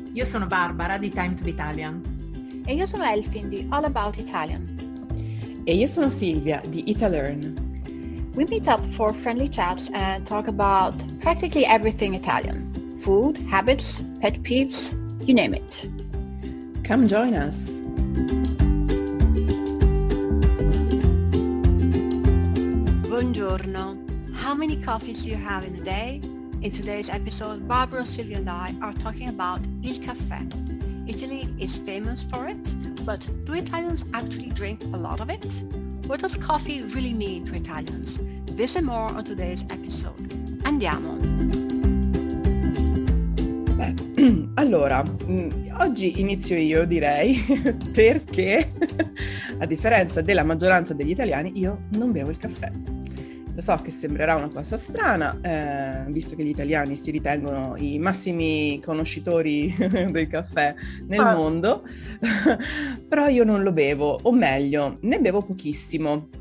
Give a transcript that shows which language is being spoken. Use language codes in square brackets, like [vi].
[it] Io sono Barbara di Time to be Italian. E io sono Elfin di All About Italian. E io sono Silvia di Italearn. [en] We meet up for friendly chats and talk about practically everything Italian. Food, habits, pet peeves, you name it. Come join us. [it] Buongiorno. [en] How many coffees do you have in a day? In today's episode, Barbara, Silvia and I are talking about il caffè. Italy is famous for it, but do Italians actually drink a lot of it? What does coffee really mean to Italians? This and more on today's episode. [it] Andiamo! Allora, oggi inizio io, direi, perché a differenza della maggioranza degli italiani, io non bevo il caffè. Lo so che sembrerà una cosa strana, visto che gli italiani si ritengono i massimi conoscitori del caffè nel mondo, però io non lo bevo, o meglio, ne bevo pochissimo.